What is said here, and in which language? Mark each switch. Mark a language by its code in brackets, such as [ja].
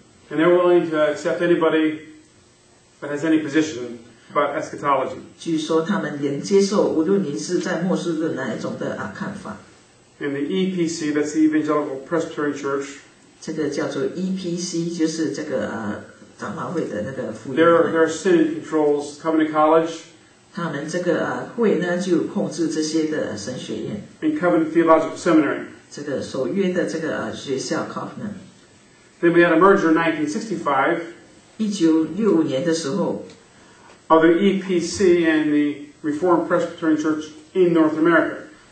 [en] And they're willing to accept anybody that has any position about eschatology. [zh] 据说他们也接受，无论您是在末世论哪一种的看法。 [en] And the EPC, that's the Evangelical Presbyterian Church. [zh] 这个叫做EPC, 就是这个长老会的那个福音会。 [en] There are synod controls, Covenant College. [zh] 他们这个会呢，就控制这些的神学院。 [en] And Covenant Theological Seminary. [zh] 这个守约的这个学校Covenant。 [en] Then we had a merger in 1965 of the EPC and the Reformed Presbyterian Church in North America.